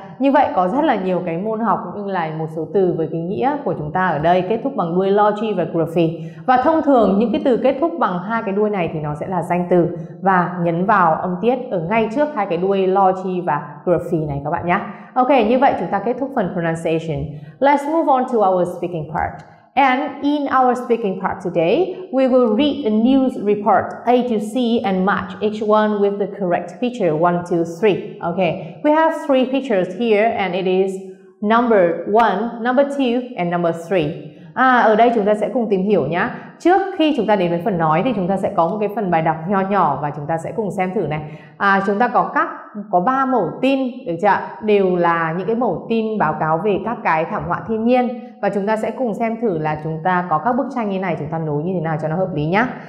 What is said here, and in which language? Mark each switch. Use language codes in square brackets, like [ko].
[vi] Như vậy có rất là nhiều cái môn học cũng như là một số từ với cái nghĩa của chúng ta ở đây kết thúc bằng đuôi logy và graphy. Và thông thường những cái từ kết thúc bằng hai cái đuôi này thì nó sẽ là danh từ và nhấn vào âm tiết ở ngay trước hai cái đuôi logy và graphy này các bạn nhé. Ok, như vậy chúng ta kết thúc phần pronunciation. [en] Let's move on to our speaking part. And in our speaking part today, we will read a news report A to C and match each one with the correct picture 1, 2, 3. Okay, we have three pictures here and it is number 1, number 2 and number 3. [vi] Ở đây chúng ta sẽ cùng tìm hiểu nhé. Trước khi chúng ta đến với phần nói thì chúng ta sẽ có một cái phần bài đọc nho nhỏ và chúng ta sẽ cùng xem thử này. Chúng ta có 3 mẫu tin, được chưa? Đều là những cái mẫu tin báo cáo về các cái thảm họa thiên nhiên. Và chúng ta sẽ cùng xem thử là chúng ta có các bức tranh như này, chúng ta nối như thế nào cho nó hợp lý nhé.